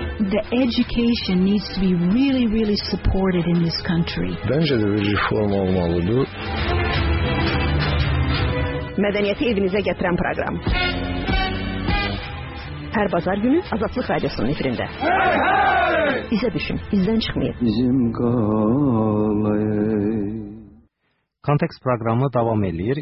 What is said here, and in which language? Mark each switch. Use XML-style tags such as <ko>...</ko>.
<en>The education needs to be really, really supported in this country.</en> <tr>Bence de bir reform olmalıdır.</tr> <az>Mədəniyyəti evinizə gətirən proqram. Hər bazar günü Azadlıq Radiosunun efirində. Hey, hey! İzə düşün, izdən çıxmayın. Bizim qalay. Kontekst proqramı davam edir.</az>